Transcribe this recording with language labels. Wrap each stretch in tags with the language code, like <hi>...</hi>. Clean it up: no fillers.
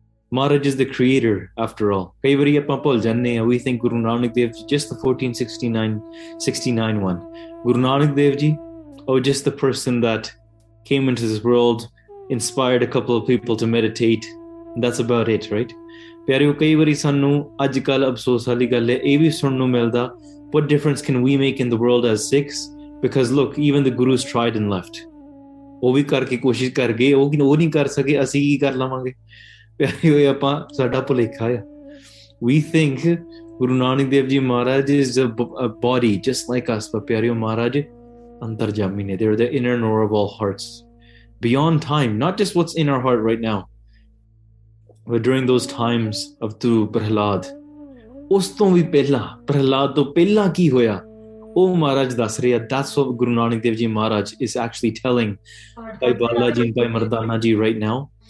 <en>Maharaj is the creator after all. We think Guru Nanak Dev, just the 1469 one. Guru Nanak Dev Ji, oh, just the person that came into this world, inspired a couple of people to meditate. That's about it, right?</en> <pa>ਪਿਆਰਿਓ ਕਈ ਵਾਰੀ ਸਾਨੂੰ ਅੱਜ ਕੱਲ ਅਫਸੋਸ ਵਾਲੀ ਗੱਲ ਹੈ ਇਹ ਵੀ ਸੁਣਨ ਨੂੰ ਮਿਲਦਾ</pa> <en>what difference can we make in the world as six because look even the gurus tried and left</en> <pa>ਉਹ ਵੀ ਕਰਕੇ ਕੋਸ਼ਿਸ਼ ਕਰ ਗਏ ਉਹ ਨਹੀਂ ਕਰ ਸਕੇ ਅਸੀਂ ਕੀ ਕਰ ਲਵਾਂਗੇ ਪਿਆਰਿਓ ਆਪਾਂ ਸਾਡਾ ਭੁਲੇਖਾ ਆ</pa> <en>we think Guru Nanak Dev ji Maharaj is a body just like us</en> <pa>ਪਿਆਰਿਓ ਮਹਾਰਾਜ</pa> <en>Antarjamine, they're the inner knowable hearts. Beyond time, not just what's in our heart right now, but during those times of tu Prahlad.</en> <pa>Uston vi pehla, Prahlad to pehla ki hoya.</pa> <en>Oh Maharaj Dasriya, that's what Guru Nanak Dev Ji Maharaj is actually telling Bhai Balaji and Bhai Mardana Ji right now.</en>